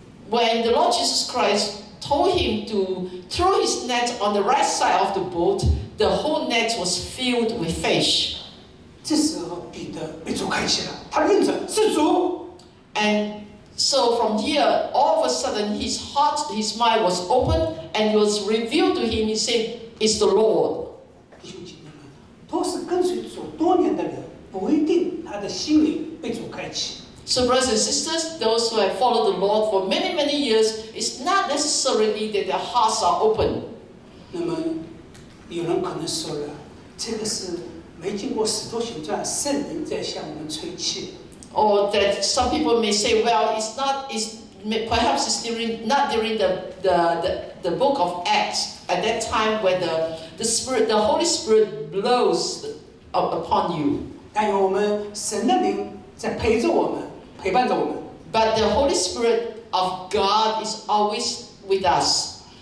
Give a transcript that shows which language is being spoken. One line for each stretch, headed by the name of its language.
English: When the Lord Jesus Christ told him to throw his net on the right side of the boat, the whole net was filled with fish.
Chinese: 这时候彼得被主开启了，他认准是主。
English: And so from here, all of a sudden, his heart, his mind was opened, and it was revealed to him. He said, it's the Lord.
Chinese: 弟兄姐妹们，都是跟随主多年的人，不一定他的心灵被主开启。
English: So brothers and sisters, those who have followed the Lord for many, many years, it's not necessarily that their hearts are open.
Chinese: 那么有人可能说了，这个是没经过使徒行传，圣灵在向我们吹气。
English: Or that some people may say, well, it's perhaps it's during, not during the book of Acts, at that time when the Spirit, the Holy Spirit blows upon you. But the Holy Spirit of God is always with us.